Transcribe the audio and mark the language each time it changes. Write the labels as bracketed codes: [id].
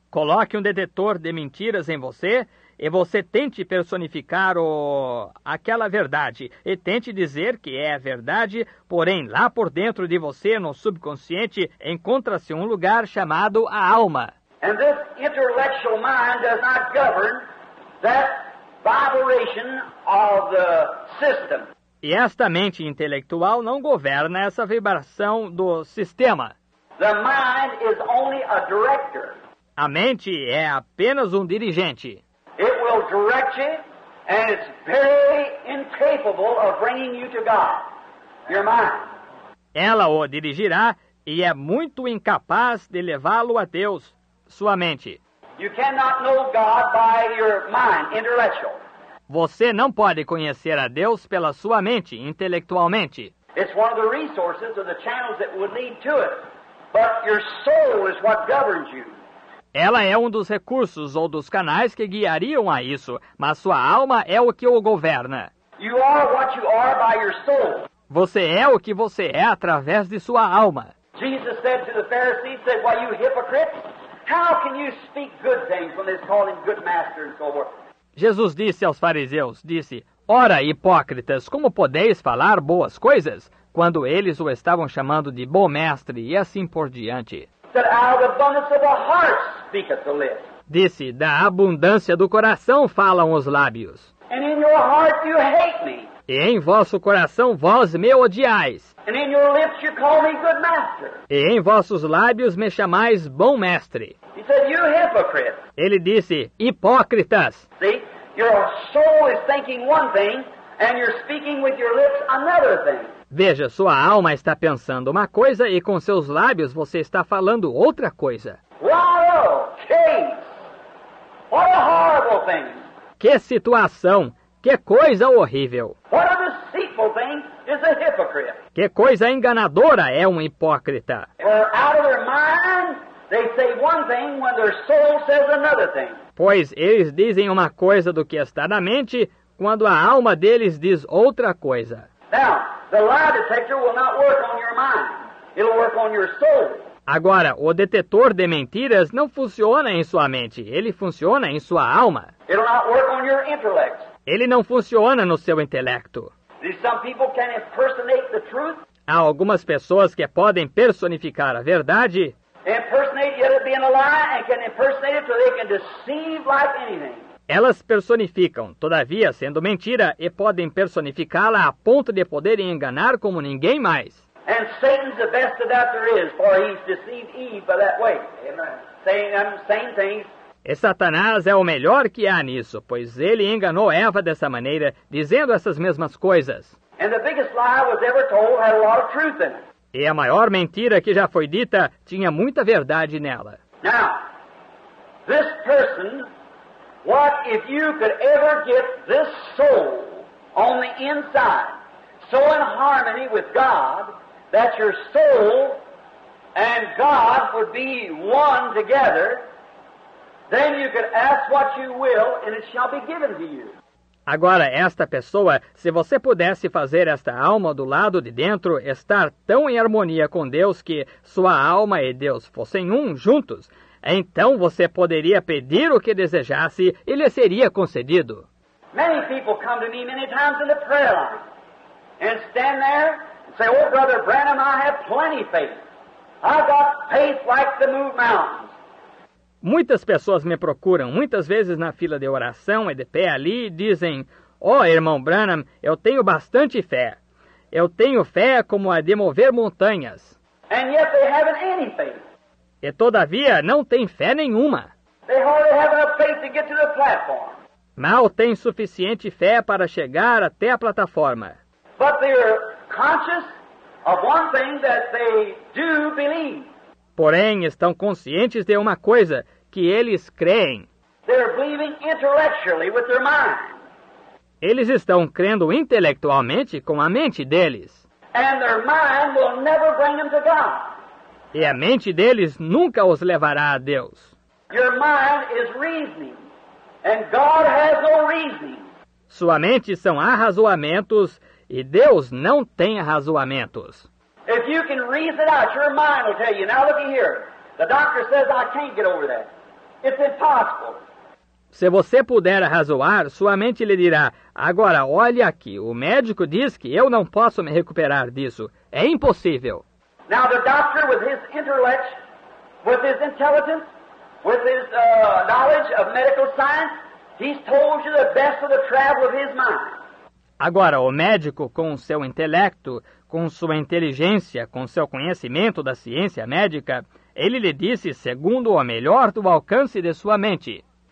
[pt] Coloque detector de mentiras em você, e você tente personificar aquela verdade, e tente dizer que é a verdade, porém, lá por dentro de você, no subconsciente, encontra-se lugar chamado a alma. [en] And this intellectual mind does not govern that vibration of the system. [pt] E esta mente intelectual não governa essa vibração do sistema. [en] The mind is only a director. [pt] A mente é apenas dirigente. [en] It will direct you, and it's very incapable of bringing you to God, your mind. [pt] Ela o dirigirá, e é muito incapaz de levá-lo a Deus, sua mente. [en] You cannot know God by your mind, intellectual. [pt] Você não pode conhecer a Deus pela sua mente, intelectualmente. [en] It's one of the resources or the channels that would lead to it, but your soul is what governs you. [pt] Ela é dos recursos ou dos canais que guiariam a isso, mas sua alma é o que o governa. [en] You are what you are by your soul. [pt] Você é o que você é através de sua alma. [en] Jesus said to the Pharisees, said, why you hypocrites? How can you speak good things when they're calling good master and so forth? [pt] Jesus disse aos fariseus, disse, ora, hipócritas, como podeis falar boas coisas quando eles o estavam chamando de bom mestre e assim por diante? [en] That out of the abundance of the heart speaketh the lips. [pt] Disse, da abundância do coração falam os lábios. [en] And in your heart you hate me. [pt] E em vosso coração vós me odiais. [en] And in your lips you call me good master. [pt] E em vossos lábios me chamais bom mestre. [en] He said, you hypocrite. [pt] Ele disse, hipócritas. [en] See, your soul is thinking one thing, and you're speaking with your lips another thing. [pt] Veja, sua alma está pensando uma coisa e com seus lábios você está falando outra coisa. [en] Wow, case. What a horrible thing. [pt] Que situação, que coisa horrível. [en] What a deceitful thing is a hypocrite. [pt] Que coisa enganadora é hipócrita. [en] Where out of their mind, they say one thing when their soul says another thing. [pt] Pois eles dizem uma coisa do que está na mente quando a alma deles diz outra coisa. [en] Now, the lie detector will not work on your mind. It'll work on your soul. [pt] Agora, o detector de mentiras não funciona em sua mente. Ele funciona em sua alma. [en] It'll not work on your intellect. [pt] Ele não funciona no seu intelecto. [en] Some people can impersonate the truth. [pt] Há algumas pessoas que podem personificar a verdade. [en] Impersonate yet it being a lie and can impersonate it so they can deceive like anything. [pt] Elas personificam, todavia, sendo mentira, e podem personificá-la a ponto de poderem enganar como ninguém mais. [en] And Satan's the best of that there is, for he's deceived Eve by that way. Amen. Same thing. [pt] E Satanás é o melhor que há nisso, pois ele enganou Eva dessa maneira, dizendo essas mesmas coisas. [en] And the biggest lie was ever told had a lot of truth in it. [pt] E a maior mentira que já foi dita tinha muita verdade nela. [en] Now, this person... What if you could ever get this soul on the inside so in harmony with God that your soul and God would be one together, then you could ask what you will and it shall be given to you. [pt] Agora, esta pessoa, se você pudesse fazer esta alma do lado de dentro estar tão em harmonia com Deus que sua alma e Deus fossem um juntos, então você poderia pedir o que desejasse e lhe seria concedido. [en] Many people come to me many times in the prayer line and stand there and say, "Oh, Brother Branham, I have plenty of faith. I've got faith like to move mountains." [pt] Muitas pessoas me procuram, muitas vezes na fila de oração e de pé ali, e dizem, ó, irmão Branham, eu tenho bastante fé. Eu tenho fé como a de mover montanhas. [en] And yet they haven't any faith. [pt] E todavia não tem fé nenhuma. [en] They hardly have enough faith to get to the platform. [pt] Mal tem suficiente fé para chegar até a plataforma. [en] But they are conscious of one thing that they do believe. [pt] Porém, estão conscientes de uma coisa, que eles creem. [en] They're believing intellectually with their mind. [pt] Eles estão crendo intelectualmente com a mente deles. [en] And their mind will never bring them to God. [pt] E a mente deles nunca os levará a Deus. [en] Your mind is reasoning, and God has no reasoning. [pt] Sua mente são arrazoamentos e Deus não tem arrazoamentos. [en] If you can reason out, your mind will tell you. Now look here. The doctor says I can't get over that. It's impossible. [pt] Se você puder razoar, sua mente lhe dirá: agora olhe aqui. O médico diz que eu não posso me recuperar disso. É impossível. [en] Now the doctor, with his intellect, with his intelligence, with his knowledge of medical science, he's told you the best of the travel of his mind. [pt] Agora, o médico, com o seu intelecto, com sua inteligência, com seu conhecimento da ciência médica, ele lhe disse segundo o melhor do alcance de sua mente.